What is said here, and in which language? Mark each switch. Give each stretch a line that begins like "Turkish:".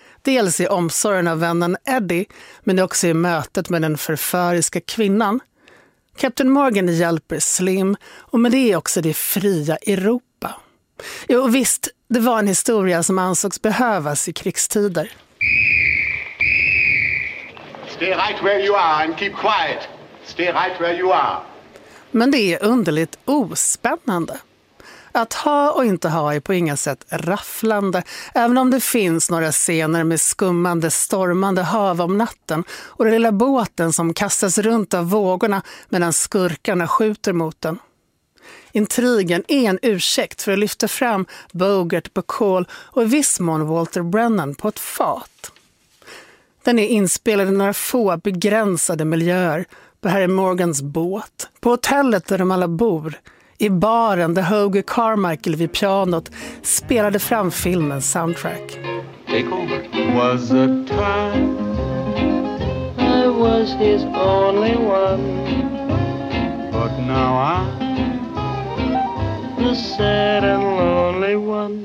Swedish: Dels i omsorgen av vännen Eddie, men också i mötet med den förföriska kvinnan. Captain Morgan hjälper Slim, och med det är också det fria Europa. Jo visst, det var en historia som ansågs behövas i krigstider.
English: Stay right where you are and keep quiet. Stay right where you are.
Swedish: Men det är underligt ospännande. Att ha och inte ha är på inga sätt rafflande, även om det finns några scener med skummande, stormande hav om natten och den lilla båten som kastas runt av vågorna medan skurkarna skjuter mot den. Intrigen är en ursäkt för att lyfta fram Bogart, Bacall och i viss mån Walter Brennan på ett fat. Den är inspelad i några få begränsade miljöer. På Harry Morgans båt, på hotellet där de alla bor, i baren där Hoagy Carmichael vid pianot spelade fram filmens soundtrack.
English: Take over. Was a time I was his only one, but now I'm the sad and lonely one.